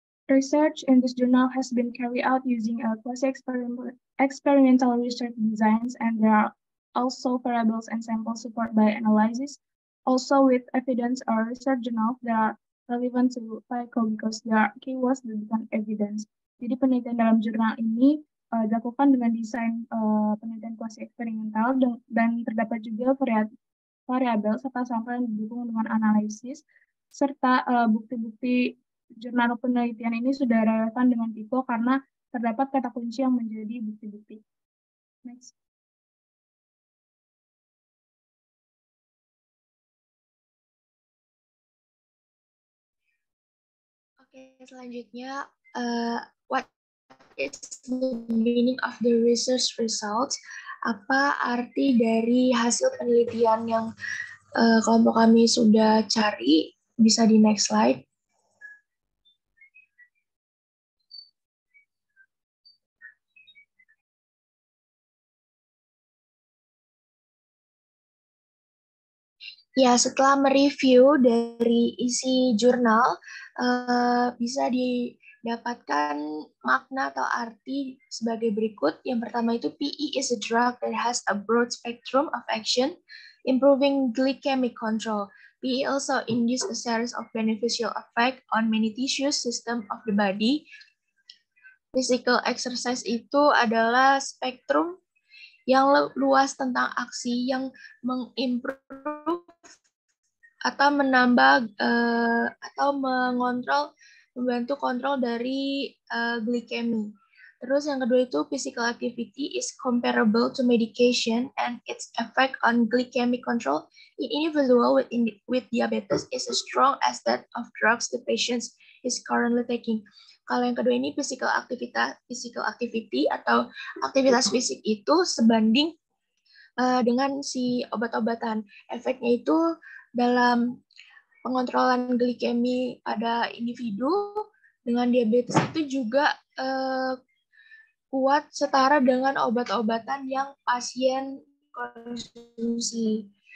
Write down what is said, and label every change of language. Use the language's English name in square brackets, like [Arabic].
[English] Research in this journal has been carried out using a quasi-experimental research designs, and there are also variables and samples supported by analysis. Also with evidence or research journal that are relevant to PICO because there are keywords that bukan evidence. [Indonesian] Jadi penelitian dalam jurnal ini dilakukan dengan desain penelitian quasi-experimental dan terdapat juga variabel serta sampel yang didukung dengan analisis serta bukti-bukti jurnal penelitian ini sudah relevan dengan PICO karena terdapat kata kunci yang menjadi bukti-bukti. [English] Next. [Indonesian] Oke, selanjutnya, [English] what is the meaning of the research results? [Indonesian] Apa arti dari hasil penelitian yang kelompok kami sudah cari? Bisa di next slide. Ya, setelah mereview dari isi jurnal, bisa didapatkan makna atau arti sebagai berikut. Yang pertama itu [English] PE is a drug that has a broad spectrum of action, improving glycemic control. PE also induces a series of beneficial effects on many tissues system of the body. [Indonesian] Physical exercise itu adalah spektrum yang luas tentang aksi yang mengimprove atau menambah atau mengontrol membantu kontrol dari glikemi. Terus yang kedua itu [English] physical activity is comparable to medication and its effect on glycemic control in individual with diabetes is as strong as that of drugs the patient is currently taking. [Indonesian] Kalau yang kedua ini physical activity atau aktivitas fisik itu sebanding dengan si obat-obatan. Efeknya itu dalam pengontrolan glikemi pada individu dengan diabetes itu juga kuat setara dengan obat-obatan yang pasien konsumsi.